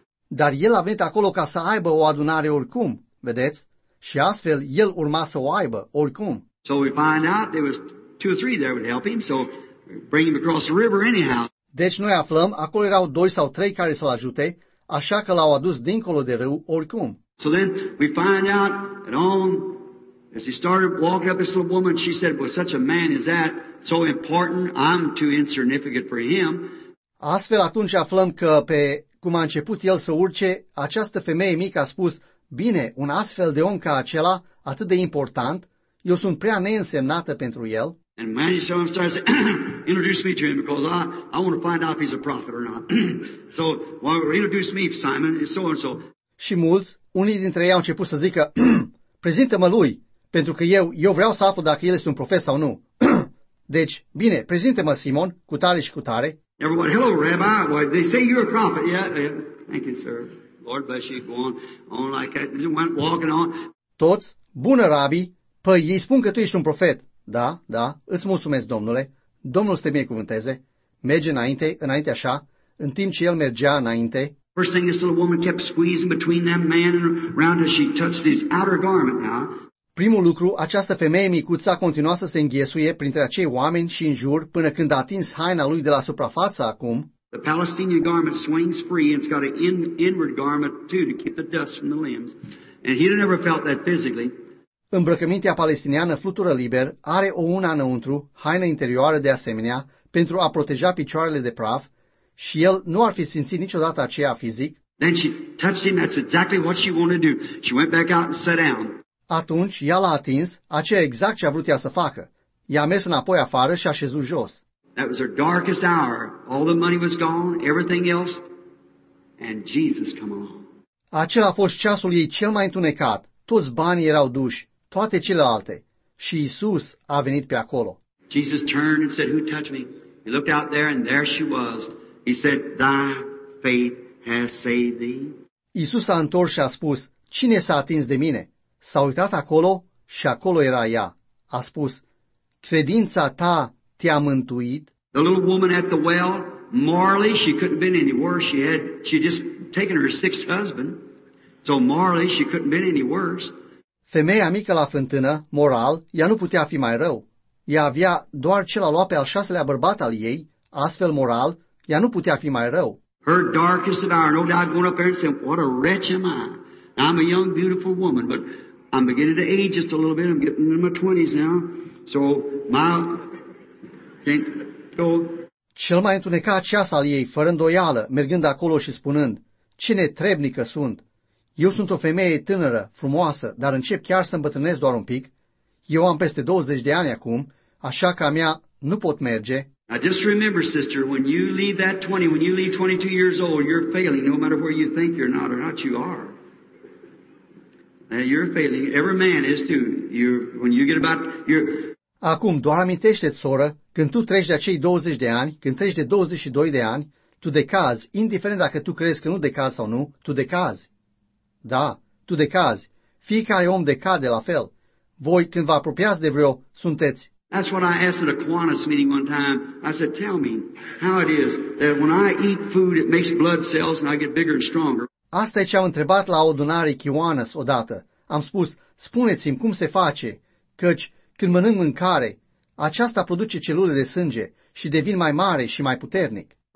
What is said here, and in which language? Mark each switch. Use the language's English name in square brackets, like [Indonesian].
[Romanian] Dar el a venit acolo ca să aibă o adunare oricum, vedeți? Și astfel el urma să o aibă oricum. [English] So we find out there was two or three there would help him, so bring him across the river anyhow. [Romanian] Deci noi aflăm, acolo erau doi sau trei care să-l ajute, așa că l-au adus dincolo de râu oricum. [English] So then we find out that on, as he started walking up this little woman, she said, "Well, such a man is that, so important, I'm too insignificant for him." [Romanian] Astfel atunci aflăm că pe cum a început el să urce, această femeie mică a spus, "Bine, un astfel de om ca acela, atât de important, eu sunt prea neînsemnată pentru el." [English] And when he saw him, started to introduce me to him because I want to find out if he's a prophet or not. So, well, introduce me, Simon, so and so. [Romanian] Și mulți, unii dintre ei au început să zică, prezintă-mă lui, pentru că eu vreau să aflu dacă el este un profet sau nu. Deci, bine, prezintă-mă, Simon, cu tare și cu tare. [English] Everybody, hello, Rabbi. Well, they say you're a prophet. Yeah, thank you, sir. Lord bless you. Go on like that. He went walking on. [Romanian] Toți, bună, Rabbi. Păi, ei spun că tu ești un profet. Da, da, îți mulțumesc, Domnule. Domnul să te binecuvânteze. Merge înainte așa, în timp ce el mergea înainte. [English] First thing, this little woman kept squeezing between that man and around her, she touched his outer garment now. [Romanian] Primul lucru, această femeie micuță a continuat să se înghesuie printre acei oameni și în jur, până când a atins haina lui de la suprafață acum. [English] The Palestinian garment swings free and it's got an inward garment too to keep the dust from the limbs. And he'd never felt that physically. [Romanian] Îmbrăcămintea palestiniană flutură liber, are o una înăuntru, haină interioară de asemenea, pentru a proteja picioarele de praf, și el nu ar fi simțit niciodată aceea fizic. [English] Then she touched him, that's exactly what she wanted to do. She went back out and sat down. [Romanian] Atunci, ea l-a atins, aceea exact ce a vrut ea să facă. Ea a mers înapoi afară și a șezut jos. [English] That was her darkest hour. All the money was gone, everything else, and Jesus came along. [Romanian] Acela a fost ceasul ei cel mai întunecat. Toți banii erau duși, toate celelalte. Și Iisus a venit pe acolo. [English] Jesus turned and said, "Who touched me?" He looked out there and there she was. He said, "Thy faith has saved thee." [Romanian] Iisus a întors și a spus, "Cine s-a atins de mine?" S-a uitat acolo și acolo era ea. A spus, "Credința ta te-a mântuit." [English] The little woman at the well, morally she couldn't have been any worse. She had just taken her sixth husband. So morally she couldn't been any worse. [Romanian] Femeia mică la fântână, moral, ea nu putea fi mai rău. Ea avea doar cel a luat pe al șaselea bărbat al ei, astfel moral, ea nu putea fi mai rău. [English] Her darkest of hour, no doubt going up there and saying, "What a wretch am I. I'm a young, beautiful woman, but I'm beginning to age just a little bit. I'm getting in my 20s now. So my can't go." [Romanian] Cel mai întunecat ceas al ei, fără îndoială, mergând acolo și spunând, "Ce netrebnică sunt. Eu sunt o femeie tânără, frumoasă, dar încep chiar să îmbătrânesc doar un pic. Eu am peste 20 de ani acum, așa că a mea nu pot merge." [English] I just remember, sister, when you leave that 20, when you leave 22 years old, you're failing, no matter where you think you're not or not, you are. You're failing. Every man is too. [Romanian] Acum, doar amintește-ți, soră, când tu treci de acei 20 de ani, când treci de 22 de ani, tu decazi, indiferent dacă tu crezi că nu decazi sau nu, tu decazi. Da, tu decazi. Fiecare om decade la fel. Voi, când vă apropiați de vreo, sunteți. [English] That's what I asked at a Kiwanis meeting one time. I said, "Tell me how it is that when I eat food, it makes blood cells and I get bigger and stronger." [Romanian] Asta e ce am întrebat la o adunare Kiwanis odată. Am spus, spuneți-mi cum se face, căci când mănânc mâncare, aceasta produce celule de sânge și devin mai mare și mai puternic.